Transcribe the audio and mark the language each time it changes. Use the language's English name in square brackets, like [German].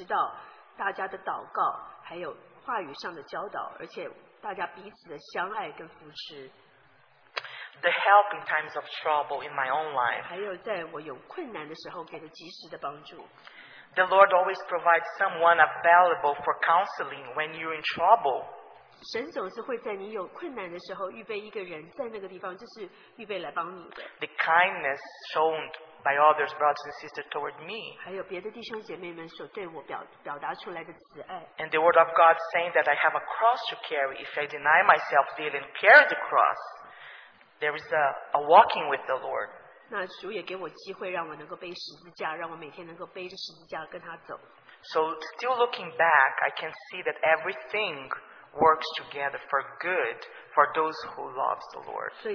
[Chinese] 当我再回头看的时候，我就知道大家的祷告还有 [English] The help in times of trouble in my own life. [Chinese] 还有在我有困难的时候给的及时的帮助。 [English] The Lord always provides someone available for counseling when you're in trouble. [Chinese] 神总是会在你有困难的时候预备一个人在那个地方，就是预备来帮你的。 [English] The kindness shown by others, brothers and sisters, toward me. [Chinese] 还有别的弟兄姐妹们所对我表达出来的慈爱。 [English] And the word of God saying that I have a cross to carry. If I deny myself daily and carry the cross, there is a walking with the Lord. [Chinese] 那主也给我机会让我能够背十字架，让我每天能够背着十字架跟他走。 [English] So still looking back, I can see that everything works together for good for those who love the Lord.